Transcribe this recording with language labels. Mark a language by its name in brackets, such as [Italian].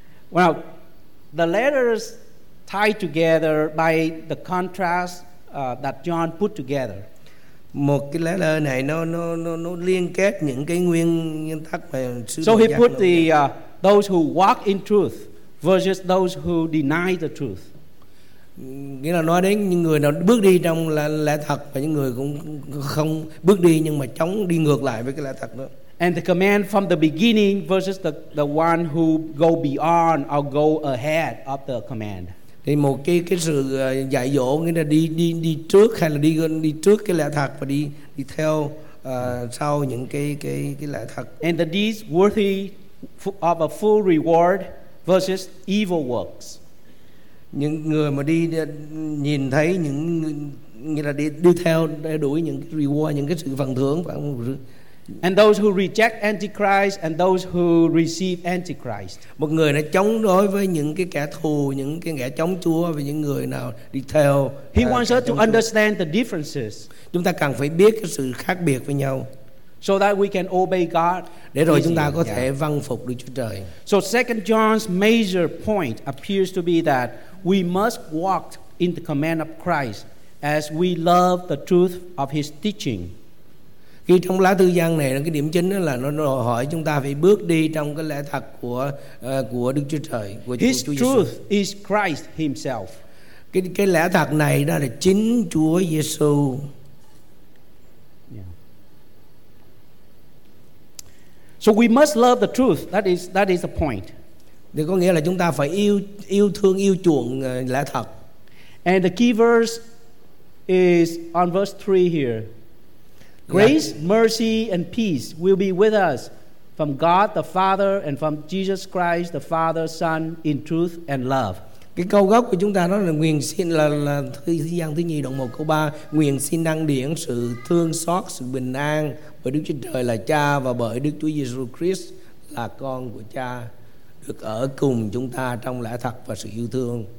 [English] Well, the letters tied together by the contrast that John put together. [Vietnamese] Một cái lá thư này nó liên kết những cái nguyên tắc mà sư đồ. [English] So he put the those who walk in truth versus those who deny the truth. [Vietnamese] Nghĩa là nói đến những người nào bước đi trong lẽ thật và những người cũng không bước đi nhưng mà chống, đi ngược lại với cái lẽ thật đó. [English] And the command from the beginning versus the one who go beyond or go ahead of the command. [Vietnamese] Thì một cái sự dạy dỗ, nghĩa là đi trước hay là đi trước cái lẽ thật và đi theo sau những cái lẽ thật. [English] And the deeds worthy of a full reward versus evil works. [Vietnamese] Những người mà đi nhìn thấy những, nghĩa là đi theo để đuổi những cái reward, những cái sự phần thưởng. [English] And those who reject Antichrist and those who receive Antichrist. [Vietnamese] Một người đã chống đối với những cái kẻ thù, những cái kẻ chống Chúa và những người nào đi theo. [English] He wants us to understand the differences. [Vietnamese] Chúng ta cần phải biết cái sự khác biệt với nhau. [English] So that we can obey God. [Vietnamese] Để rồi chúng ta có thể vâng phục Đức Chúa Trời. [English] So 2 John's major point appears to be that we must walk in the command of Christ as we love the truth of his teaching. [Vietnamese] Khi trong lá thư Giăng này, cái điểm chính là nó đòi hỏi chúng ta phải bước đi trong cái lẽ thật của Đức Chúa Trời, của [English] His [Vietnamese] Chúa [English] Giêsu. His truth is Christ himself. [Vietnamese] Cái lẽ thật này đó là chính Chúa Giêsu. [English] So we must love the truth. That is the point. [Vietnamese] Thì có nghĩa là chúng ta phải yêu thương, yêu chuộng lẽ thật. [English] And the key verse is on verse 3 here. Grace, mercy, and peace will be with us from God the Father and from Jesus Christ the Father's Son in truth and love. [Vietnamese] Cái câu gốc của chúng ta đó là nguyện xin là thư Giăng thứ nhì đoạn 1 câu 3, nguyện xin đăng điển sự thương xót, sự bình an bởi Đức Chúa Trời là Cha và bởi Đức Chúa Giêsu Christ là Con của Cha được ở cùng chúng ta trong lẽ thật và sự yêu thương.